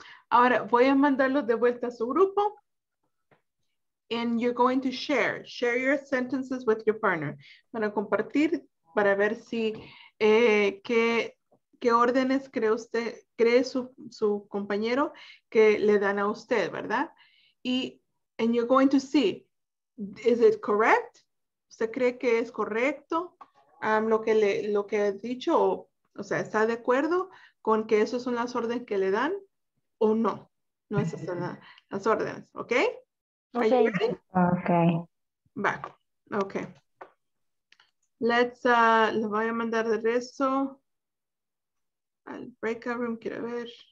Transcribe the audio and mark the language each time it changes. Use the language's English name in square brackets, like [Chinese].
[Spanish] Ahora voy a mandarlos de vuelta a su grupo. And you're going to share. Share your sentences with your partner. Van a compartir para ver si qué órdenes cree usted, cree su compañero que le dan a usted, ¿verdad? [English] Y and you're going to see, is it correct? [Spanish] ¿Usted cree que es correcto lo que ha dicho? O sea, ¿está de acuerdo con que esas son las órdenes que le dan o no? No esas son las órdenes, ¿ok? [English] Okay. Okay. [Spanish] Va, ok. Let's, le voy a mandar de regreso al breakout room, quiero ver.